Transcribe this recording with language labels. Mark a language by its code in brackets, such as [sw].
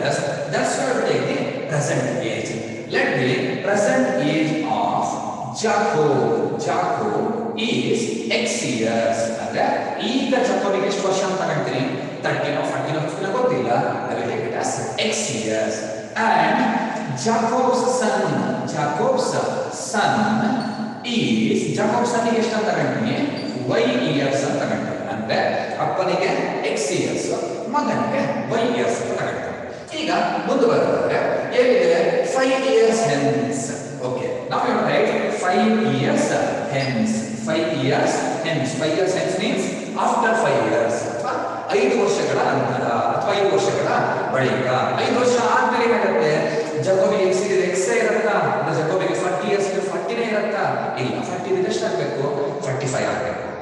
[en] That's that's we have to take the present age. Let the present age of Jacob, Jacob is x years. [kn] ಅಂದ್ರೆ ಈಗ ಜಕೋಬಿಗೆ ಎಷ್ಟು ವರ್ಷ ಅಂತ ಹೇಳ್ತೀನಿ, 13 or 14 ಗೊತ್ತಿಲ್ಲ, x years. [en] And Jacob's son, Jacob's son is, Jacob's son [kn] ಎಷ್ಟು ಅಂತ ಹೇಳ್ತೀನಿ, [en] y years [kn] ಅಂತ ಹೇಳ್ತೀನಿ. ಅಂದ್ರೆ ಅಪ್ಪನಿಗೆ x years, ಮಗನಿಗೆ y years ಅಂತ ಹೇಳ್ತೀನಿ. ಈಗ ಮುಂದುವರೆದ್ರೆ ಏನಿದೆ, [en] 5 years hence. Okay, now you write 5 years hence. 5 years hence. 5 years hence means after 5 years. [kn] 5 ವರ್ಷಗಳ ನಂತರ ಅಥವಾ 5 ವರ್ಷಗಳ ಬಳಿಕ. 5 ವರ್ಷ ಆದ್ಮೇಲೆ ಏನಾಗುತ್ತೆ, ಜಕೋಬಿಗೆ ಎಕ್ಸ್ ಇರತ್ತಾ, ಜಕೋಬಿಗೆ 40 ಇಯರ್ಸ್ ಇದ್ರೆ 40 ಇರತ್ತಾ, ಇಲ್ಲ 40 ಇದ್ರೆ ಎಷ್ಟಾಗಬೇಕು, 45 ಆಗಬೇಕು.